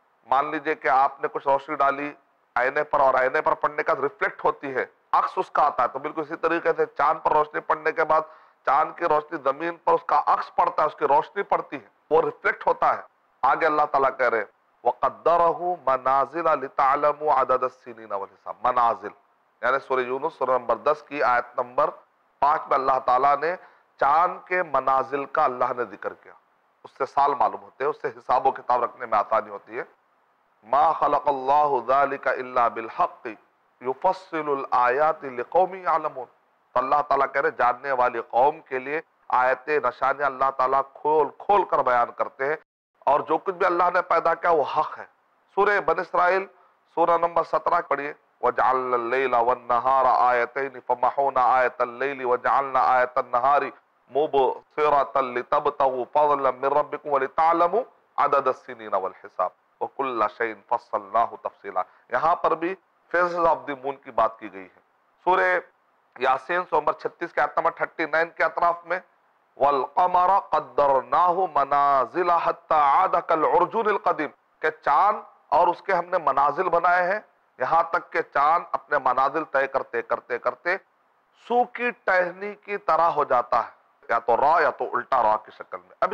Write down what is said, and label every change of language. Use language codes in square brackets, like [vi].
[ur] مان لیجئے کہ آپ نے کچھ روشنی ڈالی آئینے پر، اور آئینے پر پڑھنے کا ریفلیکٹ ہوتی ہے، عکس اس کا آتا ہے، تو بالکل اسی طریقے سے چاند پر روشنی پڑھنے کے بعد چاند کی روشنی زمین پر اس کا عکس پڑتا ہے، اس کی روشنی پڑتی ہے، وہ ریفلیکٹ ہوتا ہے۔ آگے اللہ تعالیٰ کہہ رہے ہیں [ar] وَقَدَّرَهُ مَنَازِلَ لِتَعْلَمُوا عَدَدَ السِّنِينَ وَالْحِسَابَ، [ur] منازل، یعنی سورہ یونس سورہ نمبر 10 کی آیت نمبر 5 میں اللہ تعالیٰ نے چاند کے منازل کا اللہ نے ذکر کیا, اس سے سال معلوم ہوتے ہیں, اس سے حساب و کتاب رکھنے میں آسانی ہوتی ہے. [ar] ما خلق اللہ ذلك الا بالحق يفصل الآيات لقوم يعلمون. [ur] تو اللہ تعالیٰ کہہ رہے جاننے والی قوم کے لیے آیتیں نشانیاں اللہ تعالیٰ کھول کھول کر بیان کرتے ہیں, اور جو کچھ بھی اللہ نے پیدا کیا وہ حق ہے. سورہ بن اسرائیل سورہ نمبر 17 پڑھیے. [ar] وجعلنا الليل والنهار آيتين فمحونا آية الليل وجعلنا آية النهار مبصرة لتبتغوا فضلا من ربكم ولتعلموا عدد السنين والحساب وكل شيء فصلناه تفصيلا. [ur] یہاں پر بھی [en] phases of the moon [ur] کی بات کی گئی ہے. سورہ یاسین سورہ نمبر 36 کے آیت نمبر 39 کے اطراف میں [ar] والقمر قدرناه منازل حتى عاد كالعرجون القديم, [ur] کہ چاند اور اس کے ہم نے منازل بنائے ہیں یہاں تک کہ چاند اپنے منازل طے کرتے کرتے کرتے سوکھی ٹہنی کی طرح ہو جاتا ہے, یا تو را یا تو الٹا را کی شکل میں.